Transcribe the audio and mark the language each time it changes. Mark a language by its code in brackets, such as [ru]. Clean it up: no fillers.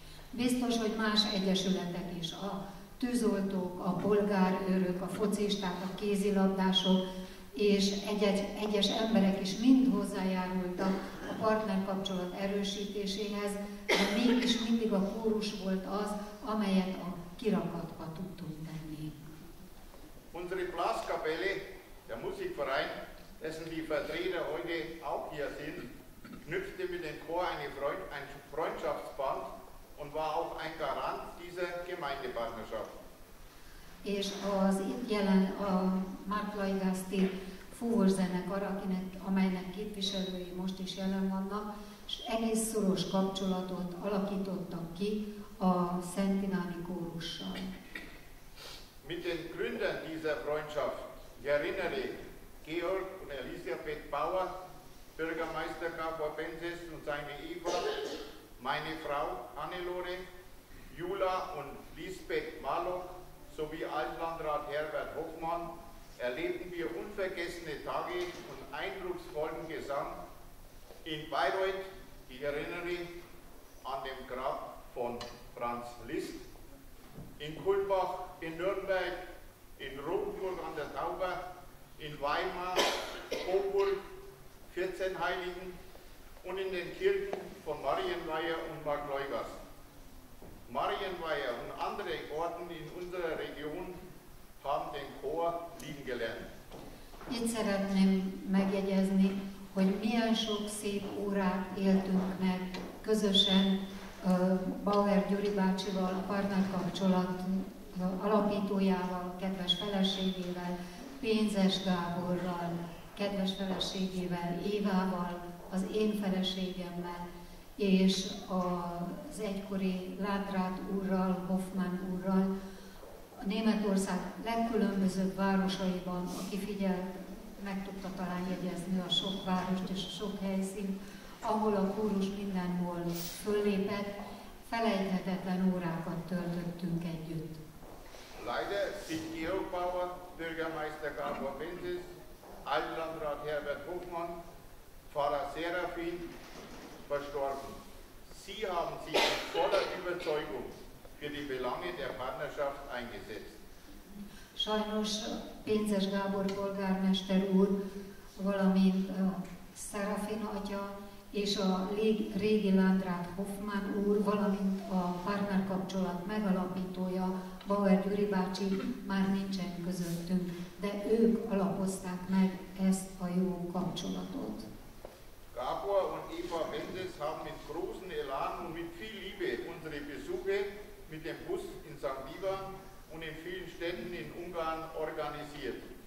[hu] Biztos, hogy más egyesületek is, a tűzoltók, a polgárőrök, a focisták, a kézilabdások és egyes emberek is mind hozzájárultak a partner kapcsolat erősítéséhez, de mégis mindig a kórus volt az, amelyet a kirakatba tudtunk tenni. [de] Unsere Blaskapelle, der Musikverein, dessen die Vertreter heute auch hier sind, knüpfte mit dem Chor ein Freundschaftsband und war auch ein Garant dieser Gemeindepartnerschaft. [hu] És az itt jelen a Mark Lajgászti fúvószenekar, amelynek képviselői most is jelen vannak, és egész szoros kapcsolatot alakítottak ki a Szent Iváni kórussal. [de] Mit den Gründern dieser Freundschaft, Gerinneri, Georg und Elisabeth Bauer, Bürgermeister Gabor Benzes und seine Ehefrau, meine Frau Hannelore, Jula und Lisbeth Malok, sowie Altlandrat Herbert Hoffmann, erlebten wir unvergessene Tage und eindrucksvollen Gesang in Bayreuth, die Erinnerung an dem Grab von Franz Liszt, in Kulmbach, in Nürnberg, in Rotenburg an der Tauber, in Weimar, Coburg, 14 Heiligen und in den Kirchen von Marienweiher und Mark Lajgászt. Marienweiher und andere Orten in unserer Region haben den Chor lieben gelernt. [hu] Itt szeretném megjegyezni, hogy milyen sok szép órát éltünk meg közösen Bauer Gyuri bácsival, a partnerkapcsolat alapítójával, kedves feleségével, Pénzes Gáborral, kedves feleségével, Évával, az én feleségemmel, és az egykori Látrát úrral, Hoffmann úrral, a Németország legkülönbözőbb városaiban, aki figyelt, meg tudta talán jegyezni a sok várost és a sok helyszínt, ahol a kórus mindenhol föllépett, felejthetetlen órákat töltöttünk együtt. [de] Leider sind Georg Bauer, Bürgermeister Gabor Benzes, Altlandrat Herbert Hoffmann, Pfarrer Serafin verstorben. Sie haben sich mit voller Überzeugung für die Belange der Partnerschaft eingesetzt. [hu] Sajnos Pénzes Gábor polgármester úr, valamint Serafin atya és a régi Landrát Hoffmann úr, valamint a partnerkapcsolat megalapítója, Bauer Gyuri bácsi már nincsen közöttünk, de ők alapozták meg ezt a jó kapcsolatot. [de] Gábor und Eva Benzes haben mit großem Elan und mit viel Liebe unsere Besuche mit dem Bus in St. Ivan und in vielen Städten in Ungarn organisiert.